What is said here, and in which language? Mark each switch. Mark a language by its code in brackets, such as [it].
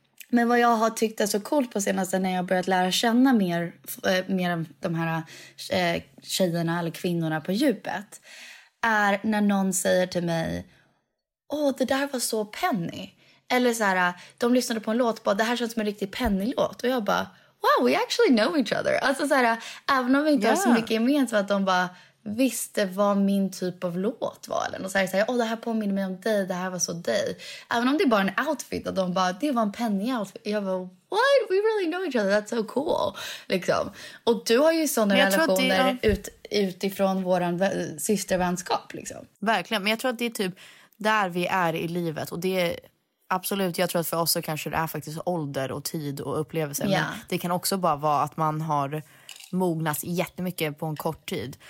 [sv] Men vad jag har tyckt är så coolt på senaste när jag börjat lära känna mer av de här tjejerna eller kvinnorna på djupet är när någon säger till mig, åh, det där var så Penny. Eller så här, de lyssnade på en låt och bara, det här känns som en riktig Penny-låt. Och jag bara, [en] wow, we actually know each other. [sv] Alltså så här, även om vi inte har så mycket gemensamt, att de bara visste vad min typ av låt var. Och så här, åh, det här påminner mig om dig, det här var så dig. Även om det är bara en outfit, och de bara, det var en Penny-outfit. Jag bara, [en] what? We really know each other, that's so cool. [sv] Liksom. Och du har ju sådana relationer det, utifrån vår systervänskap. Liksom. Verkligen, men jag tror att det är typ där vi är i livet. Och det är absolut, jag tror att för oss så kanske det är faktiskt ålder och tid och upplevelser. [en] Yeah. [sv] Men det kan också bara vara att man har mognat jättemycket på en kort tid.